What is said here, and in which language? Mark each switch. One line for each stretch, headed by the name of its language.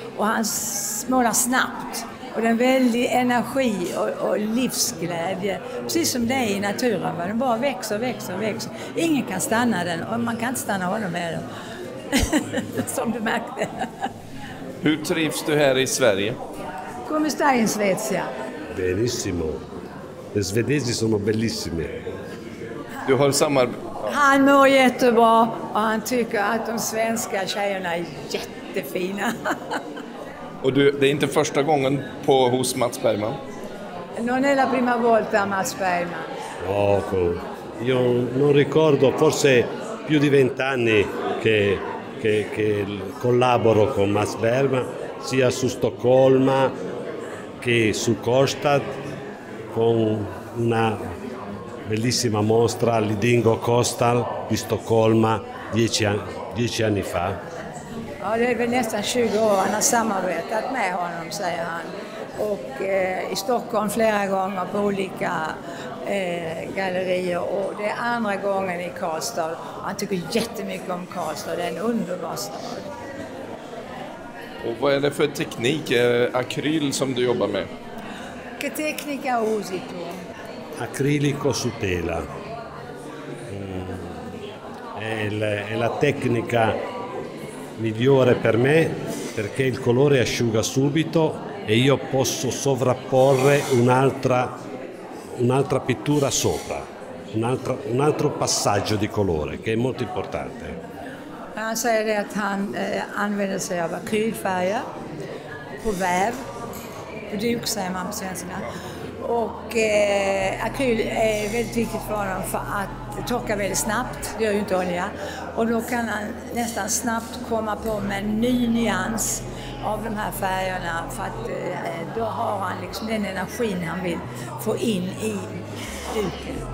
Swedish: Och han målar snabbt. Och det är en väldig energi och livsglädje. Precis som det är i naturen. Va? Den bara växer och växer och växer. Ingen kan stanna den. Och man kan inte stanna honom med den. Som du märkte. Hur trivs du här i Sverige?
Italian: Come stai in Svezia? Benissimo. Le svedesi sono bellissime.
Swedish: Du har samma... Han mår jättebra och han tycker att de svenska tjejerna är jättefina. Och du, det är inte första gången på hos Mats Bergman?
Italian: Non è la prima volta, Mats Bergman. Poco. Io non ricordo, forse più di 20 anni che collaboro con Mats Bergman, sia su Stoccolma che su Kostad, con una bellissima mostra all'Idingo Kostal di Stoccolma 10 anni fa.
Swedish: Ja, det är väl nästan 20 år han har samarbetat med honom, säger han. Och i Stockholm flera gånger på olika gallerier, och det är andra gången i Karlstad. Han tycker jättemycket om Karlstad, det är en underbar stad. Och vad är det för teknik, akryl, som du jobbar med?
Italian: Che tecnica usi tu? Acrilico su tela. È la tecnica migliore per me, perché il colore asciuga subito e io posso sovrapporre un'altra pittura sopra, un altro passaggio di colore, che è molto importante.
Swedish: Han säger att han använder sig av akrylfärger på väv, på duk, säger man på svenska. Och akryl är väldigt viktigt för honom, för att torka väldigt snabbt, det gör ju inte olja. Och då kan han nästan snabbt komma på med en ny nyans av de här färgerna, för att då har han liksom den energin han vill få in i duken.